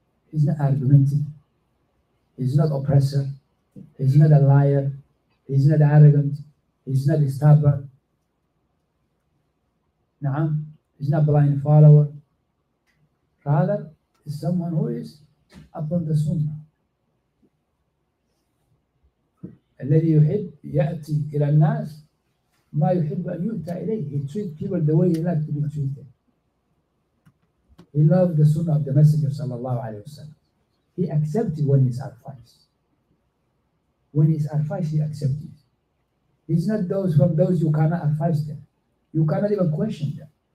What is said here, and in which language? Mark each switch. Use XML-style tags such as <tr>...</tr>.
<en>He's not argumentative. He's not oppressor. He's not a liar. He's not arrogant. He's not a stubborn. نعم, he's not a blind follower. Rather, he's someone who is upon the Sunnah.</en> <ar>الذي يحب يأتي إلى الناس ما يحب أن يؤتى إليه.</ar> <en>He treats people the way he likes to be treated. He loves the Sunnah of the Messenger صلى الله عليه وسلم. He accepts it when he's advised. When he's advised, he accepts it. He's not those from those you cannot advise them. You cannot even question them.</en>